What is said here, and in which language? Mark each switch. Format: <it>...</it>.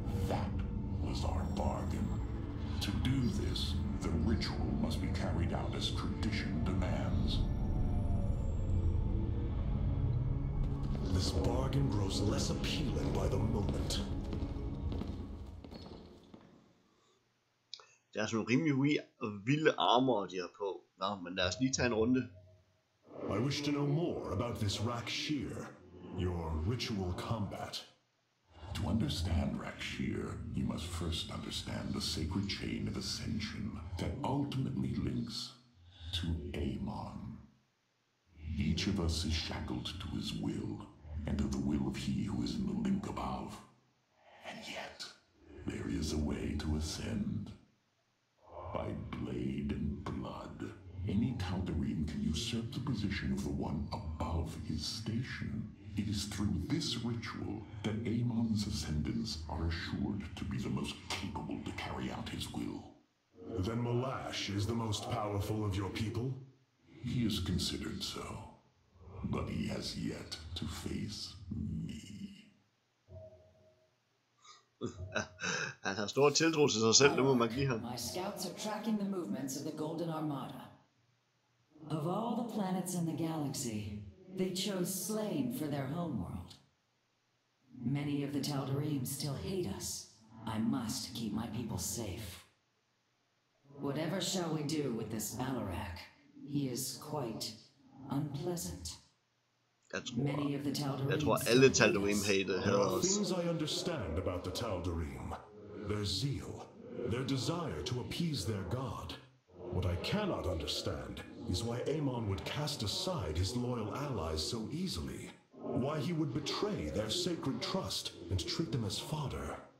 <en>That was our bargain. To do this, the ritual must be carried out as tradition demands. This bargain grows less appealing by the moment.</en> <da>Der er sådan rimelig vilde armor, de har på. Nå, men lad os lige tage en runde.</da> <en>I wish to know more about this Rakshir, your ritual combat. To understand Rakshir, you must first understand the sacred chain of ascension that ultimately links to Amon. Each of us is shackled to his will, and to the will of he who is in the link above. And yet, there is a way to ascend. By blade and blood, any Talgarine can usurp the position of the one above his station. It is through this ritual that Amon's ascendants are assured to be the most capable to carry out his will. Then Malash is the most powerful of your people? He is considered so, but he has yet to face me.</en> <da>Han har stor tiltro til sig selv, det må man give ham.</da> <en>My scouts are tracking the movements of the Golden Armada. Of all the planets in the galaxy, they chose Slain for their homeworld. Many of the Tal'Darim still hate us. I must keep my people safe. Whatever shall we do with this Alarak? He is quite unpleasant.</en> <da>Jeg tror alle Tal'Darim hater os.</da> <en>There are things I understand about the Tal'Darim. Their zeal. Their desire to appease their god. What I cannot understand is why Amon would cast aside his loyal allies so easily. Why he would betray their sacred trust and treat them as fodder.</en>